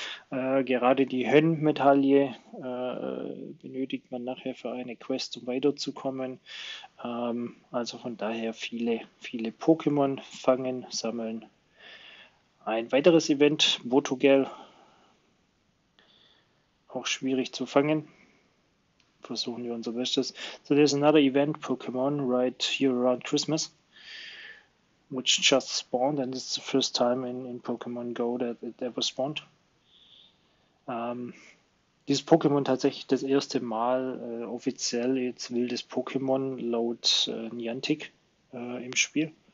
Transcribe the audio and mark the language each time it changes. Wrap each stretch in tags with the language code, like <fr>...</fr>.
<de>Gerade die Hönn-Medaille benötigt man nachher für eine Quest, um weiterzukommen. Also von daher viele, viele Pokémon fangen, sammeln. Ein weiteres Event, Botogel, auch schwierig zu fangen. Versuchen wir unser Bestes.</de> <en>So, there's another event, Pokémon, right here around Christmas, which just spawned, and it's the first time in Pokémon Go that it ever spawned.</en> <de>Dieses Pokémon tatsächlich das erste Mal offiziell jetzt wildes Pokémon laut Niantic im Spiel.</de>